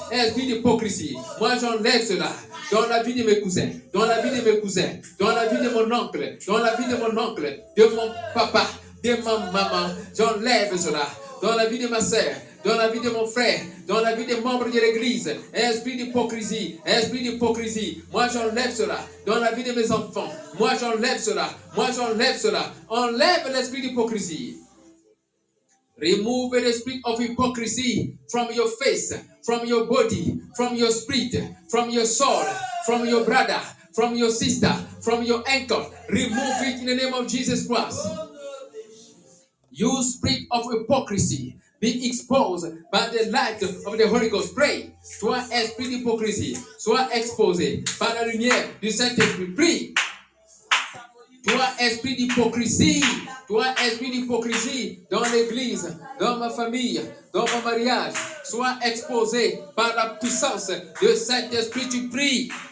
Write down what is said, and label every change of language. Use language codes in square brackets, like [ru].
[fr] Esprit d'hypocrisy. Moi, j'enlève cela. Dans la vie de mes cousins, dans la vie de mes cousins, dans la vie de mon oncle, dans la vie de mon oncle, de mon papa, de ma maman, j'enlève cela. Dans la vie de ma sœur, dans la vie de mon frère, dans la vie des membres de l'église, esprit d'hypocrisie, moi j'enlève cela. Dans la vie de mes enfants, moi j'enlève cela, moi j'enlève cela. Enlève l'esprit d'hypocrisie. [en] Remove the spirit of hypocrisy from your face, from your body, from your spirit, from your soul, from your brother, from your sister, from your uncle. Remove it in the name of Jesus Christ. You spirit of hypocrisy, be exposed by the light of the Holy Ghost. Pray. [fr] Sois esprit d'hypocrisie, sois exposé par la lumière du Saint-Esprit. [en] Pray. [fr] Toi, esprit d'hypocrisie, toi, esprit d'hypocrisie, dans l'église, dans ma famille, dans mon mariage, sois exposé par la puissance de cet esprit, tu pries.